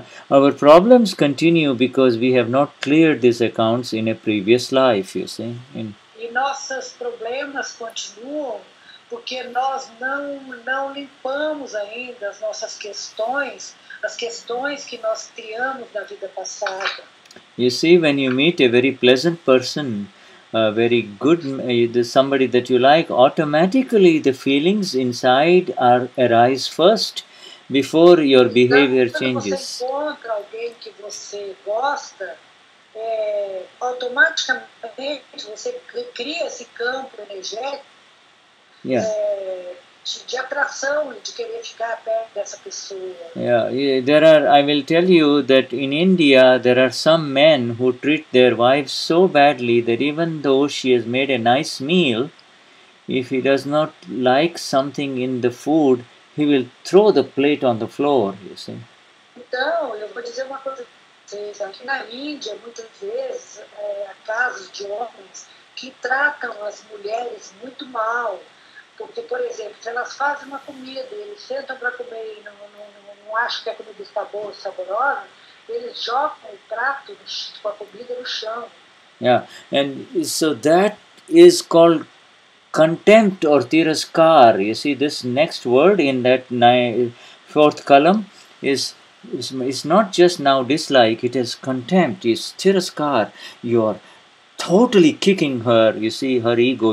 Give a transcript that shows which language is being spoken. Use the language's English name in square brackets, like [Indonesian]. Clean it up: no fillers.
[English] Our problems continue because we have not cleared these accounts in a previous life, you see. [Portuguese] Nossos problemas continuam porque nós não limpamos ainda as nossas questões, as questões que nós criamos na vida passada. [English] You see, when you meet a very pleasant person, a very good, somebody that you like, automatically the feelings inside arise first before your behavior changes. [Portuguese] Quando você encontra alguém que você gosta, automaticamente você cria esse campo energético de atração e de querer ficar perto dessa pessoa. [English] I will tell you that in India there are some men who treat their wives so badly that even though she has made a nice meal, if he does not like something in the food, he will throw the plate on the floor, you see. [Portuguese] Então, eu vou dizer uma coisa. Aqui na Índia, muitas vezes, há casos de homens que tratam as mulheres muito mal. Porque, por exemplo, se elas fazem uma comida, eles sentam para comer e não acham que a comida está boa ou saborosa, eles jogam o prato com a comida no chão. [English] And so that is called contempt or tiraskar. You see, this next word in that fourth column is... It's not just now dislike, it is contempt, it's tiraskar. You're totally kicking her, you see, her ego.